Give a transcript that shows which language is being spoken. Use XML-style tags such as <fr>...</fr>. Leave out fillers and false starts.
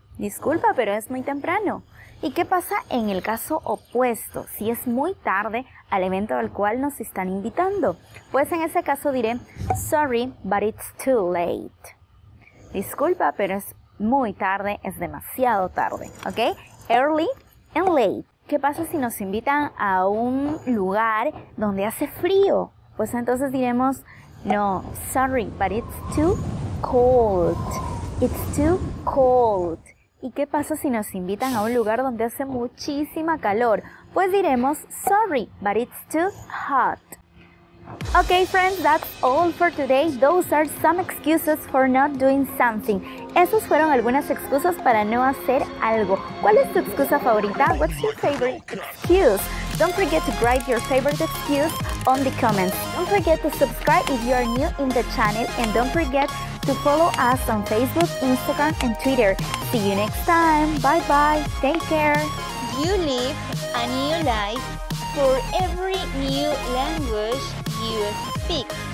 <es>Disculpa, pero es muy temprano. ¿Y qué pasa en el caso opuesto, si es muy tarde al evento al cual nos están invitando? Pues en ese caso diré,</es> <en>sorry, but it's too late.</en> <es>Disculpa, pero es muy tarde, es demasiado tarde, ¿ok?</es> <en>Early and late.</en> <es>¿Qué pasa si nos invitan a un lugar donde hace frío? Pues entonces diremos, no,</es> <en>sorry, but it's too cold. It's too cold.</en> <es>¿Y qué pasa si nos invitan a un lugar donde hace muchísima calor? Pues diremos,</es> <en>sorry, but it's too hot. Okay, friends, that's all for today. Those are some excuses for not doing something.</en> <es>Esas fueron algunas excusas para no hacer algo. ¿Cuál es tu excusa favorita?</es> <en>What's your favorite excuse? Don't forget to write your favorite excuse on the comments. Don't forget to subscribe if you are new in the channel. And don't forget to follow us on Facebook, Instagram, and Twitter. See you next time. Bye-bye. Take care. You live a new life for every new language you speak.</en>